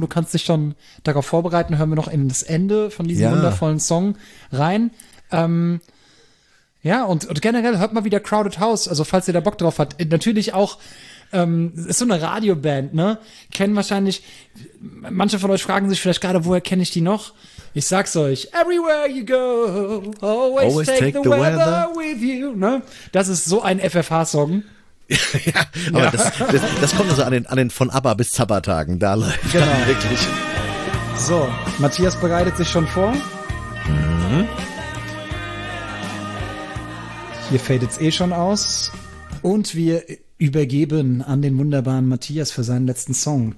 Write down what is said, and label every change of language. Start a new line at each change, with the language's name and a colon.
German: Du kannst dich schon darauf vorbereiten. Hören wir noch in das Ende von diesem wundervollen Song rein. Ja, und generell hört mal wieder Crowded House. Also, falls ihr da Bock drauf habt. Natürlich auch, ist so eine Radioband, ne? Kennen wahrscheinlich, manche von euch fragen sich vielleicht gerade, woher kenne ich die noch? Ich sag's euch.
English: Everywhere you go, always take the weather with you,
German: ne? Das ist so ein FFH-Song. Ja, aber ja. Das kommt also an den von ABBA bis Zappa-Tagen, da läuft genau. Wirklich. So, Matthias bereitet sich schon vor. Mhm. Hier fadet's eh schon aus. Und wir übergeben an den wunderbaren Matthias für seinen letzten Song.